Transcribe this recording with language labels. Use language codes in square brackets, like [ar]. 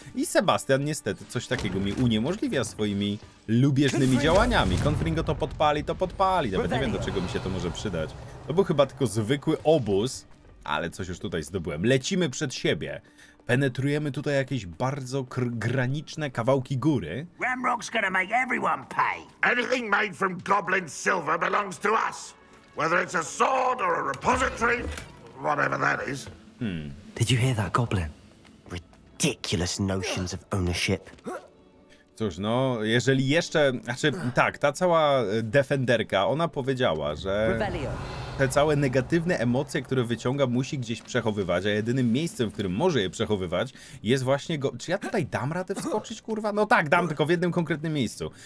[pl] I Sebastian niestety coś takiego mi uniemożliwia swoimi lubieżnymi działaniami. Confringo to podpali. Nawet nie wiem, do czego mi się to może przydać. To był chyba tylko zwykły obóz, ale coś już tutaj zdobyłem. Lecimy przed siebie. Penetrujemy tutaj jakieś bardzo graniczne kawałki góry. [en] Ramrock's gonna make everyone pay. Anything made from goblin silver belongs to us. Whether it's a sword or a repository, whatever that is. Did you hear that goblin? Ridiculous notions of ownership. [pl] Cóż, no, jeżeli jeszcze... Znaczy, tak, ta cała defenderka, ona powiedziała, że... Te całe negatywne emocje, które wyciąga, musi gdzieś przechowywać, a jedynym miejscem, w którym może je przechowywać, jest właśnie go... Czy ja tutaj dam radę wskoczyć, kurwa? No tak, dam, tylko w jednym konkretnym miejscu.